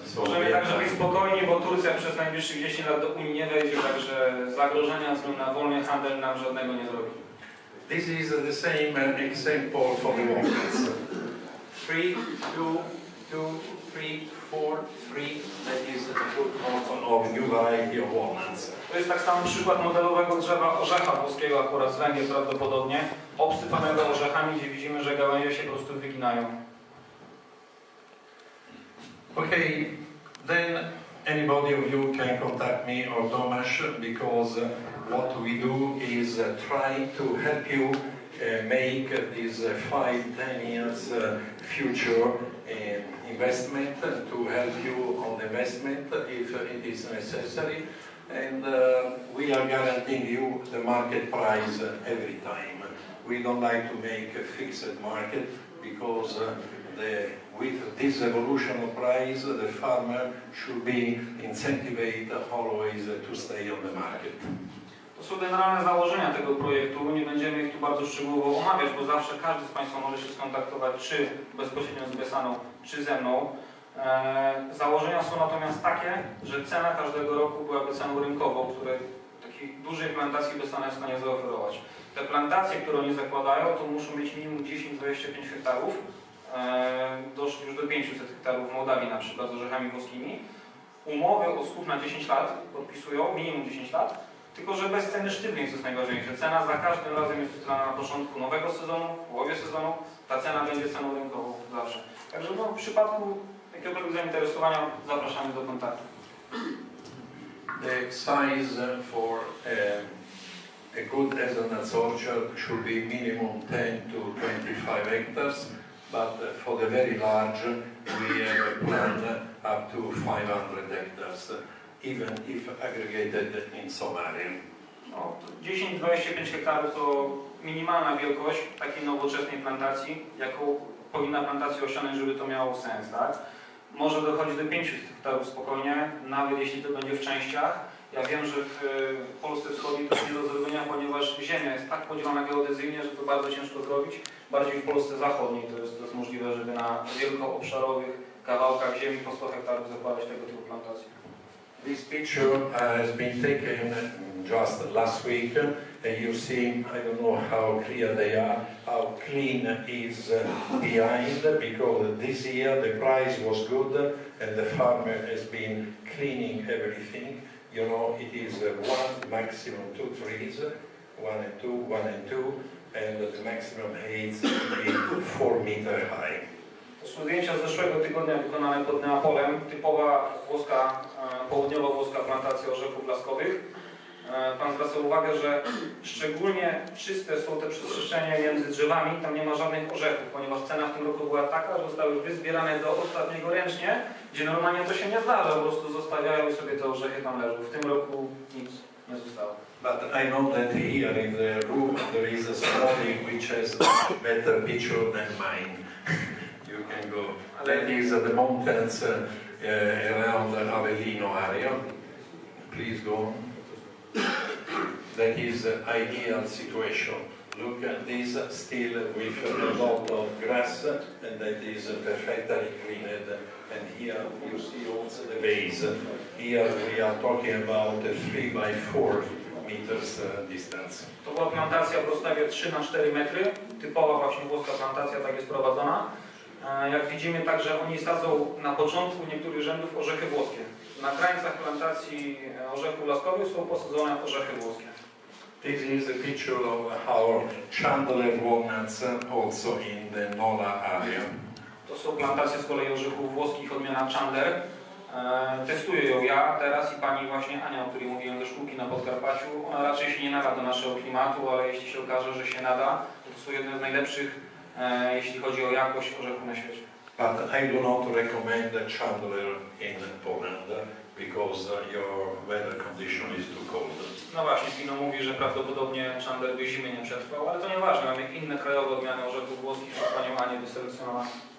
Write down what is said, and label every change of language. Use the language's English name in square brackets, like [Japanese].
[Polish] So możemy także być spokojni, bo Turcja przez najbliższych 10 lat do Unii nie wejdzie, także zagrożenia na wolny handel nam żadnego nie zrobi. [English] This is the same example for the Walkers. 3, 2, 3, 4, 3, that is a good model of new variety of walnuts. [Polish] To jest tak samo przykład modelowego drzewa orzecha włoskiego, akurat z Węgier prawdopodobnie, obsypanego orzechami, gdzie widzimy, że gałęzie się po prostu wyginają. [English] Okay, then anybody of you can contact me or Tomasz, because what we do is try to help you make this 5-10 years future investment, to help you on investment if it is necessary. And we are guaranteeing you the market price every time. We don't like to make a fixed market because with this evolution of price, the farmer should be incentivized always to stay on the market. [Polish] To są generalne założenia tego projektu. Nie będziemy ich tu bardzo szczegółowo omawiać, bo zawsze każdy z Państwa może się skontaktować czy bezpośrednio z Besaną, czy ze mną. Założenia są natomiast takie, że cena każdego roku byłaby ceną rynkową, której takiej dużej plantacji Besana jest w stanie zaoferować. Te plantacje, które oni zakładają, to muszą mieć minimum 10-25 hektarów, doszli już do 500 hektarów w Mołdawii na przykład z orzechami włoskimi. Umowę o skup na 10 lat podpisują, minimum 10 lat, tylko że bez ceny sztywnej, co jest najważniejsze. Cena za każdym razem jest ustalana na początku nowego sezonu, w połowie sezonu, ta cena będzie ceną rynkową zawsze. Także no, w przypadku jakiegoś zainteresowania zapraszamy do kontaktu. [English] The size for a good hazelnut orchard should be minimum 10 to 25 hectares, but for the very large we have a plan up to 500 hectares, even if aggregated in some area. [Polish] No, 10-25 hektarów to minimalna wielkość takiej nowoczesnej plantacji, jaką powinna plantacja osiągnąć, żeby to miało sens, tak? Może dochodzić do 500 hektarów spokojnie, nawet jeśli to będzie w częściach. Ja wiem, że w Polsce Wschodniej to jest nie do zrobienia, ponieważ ziemia jest tak podzielona geodezyjnie, że to bardzo ciężko zrobić. Bardziej w Polsce Zachodniej to jest możliwe, żeby na wielkoobszarowych kawałkach ziemi po 100 hektarów zakładać tego typu plantacje. [English] This picture has been taken just last week. You see, I don't know how clear they are, how clean is behind, because this year the price was good and the farmer has been cleaning everything. You know, it is one, maximum two trees, one and two, and the maximum height is 4 meters high. [Polish] To są zdjęcia z zeszłego tygodnia wykonane pod Neapolem. Typowa włoska, południowo-włoska plantacja orzechów blaskowych. Pan zwraca uwagę, że szczególnie czyste są te przestrzenie między drzewami. Tam nie ma żadnych orzechów, ponieważ cena w tym roku była taka, że zostały wyzbierane do ostatniego ręcznie, gdzie normalnie to się nie zdarza. Po prostu zostawiają sobie te orzechy tam leżą. W tym roku nic nie zostało. [English] But I know that here in the room there is a study which has a better picture than mine. That is the mountains around the Avellino area. Please go on. That is the ideal situation. Look at this still with a lot of grass, and that is perfectly cleaned. And here you see also the base. Here we are talking about 3x4 meters distance. [Polish] To była plantacja w rozstawie 3 na 4 metry, typowa właśnie włoska plantacja, tak jest prowadzona. Jak widzimy także, oni sadzą na początku niektórych rzędów orzechy włoskie. Na krańcach plantacji orzechów laskowych są posadzone orzechy włoskie. [English] This is a picture of our Chandler walnuts also in the Nola area. [Polish] To są plantacje z kolei orzechów włoskich odmiana Chandler. Testuję ją ja teraz i pani właśnie Ania, o której mówiłem, ze szkółki na Podkarpaciu. Ona raczej się nie nada do naszego klimatu, ale jeśli się okaże, że się nada, to są jedne z najlepszych, jeśli chodzi o jakość orzechu na świecie. [English] But I do not recommend Chandler in Poland, because your weather condition is too cold. [Polish] No właśnie, Pino mówi, że prawdopodobnie Chandler by zimy nie przetrwał, ale to nieważne, mamy inne krajowe odmiany orzechów włoskich, a panią Anię wyselekcjonowane.